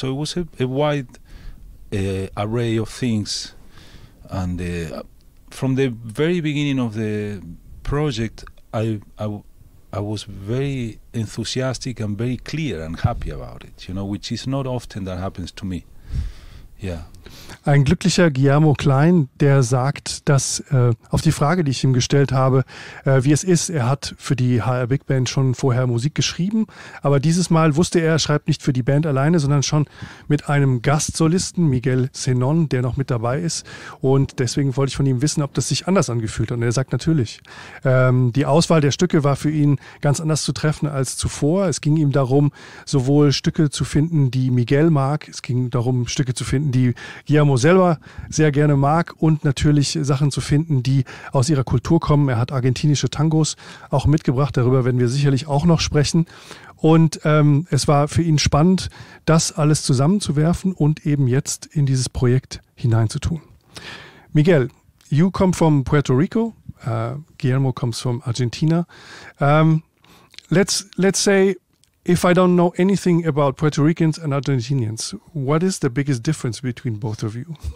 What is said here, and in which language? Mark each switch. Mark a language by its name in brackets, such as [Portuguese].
[English] So it was a wide array of things. And from the very beginning of the project, I was very enthusiastic and very clear and happy about it, you know, which is not often that happens to me. Yeah. [German] Ein glücklicher Guillermo Klein, der sagt, dass auf die Frage, die ich ihm gestellt habe, wie es ist, er hat für die HR Big Band schon vorher Musik geschrieben, aber dieses Mal wusste er, er schreibt nicht für die Band alleine, sondern schon mit einem Gastsolisten, Miguel Zenon, der noch mit dabei ist, und deswegen wollte ich von ihm wissen, ob das sich anders angefühlt hat, und er sagt natürlich. Die Auswahl der Stücke war für ihn ganz anders zu treffen als zuvor. Es ging ihm darum, sowohl Stücke zu finden, die Miguel mag, es ging darum, Stücke zu finden, die Guillermo selber sehr gerne mag, und natürlich Sachen zu finden, die aus ihrer Kultur kommen. Er hat argentinische Tangos auch mitgebracht, darüber werden wir sicherlich auch noch sprechen. Und es war für ihn spannend, das alles zusammenzuwerfen und eben jetzt in dieses Projekt hineinzutun. [English] Miguel, you come from Puerto Rico, Guillermo comes from Argentina. Let's say, if I don't know anything about Puerto Ricans and Argentinians, what is the biggest difference between both of you?